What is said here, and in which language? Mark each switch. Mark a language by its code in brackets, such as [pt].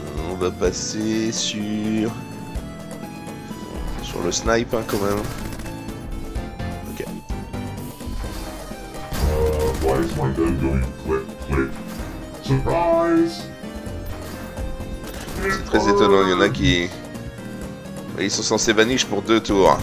[fr] On va passer sur le snipe hein, quand même. Ok. [en] Why is my gun going quick? Surprise! [fr] C'est très étonnant, il y en a qui. Ils sont censés vanish pour 2 tours.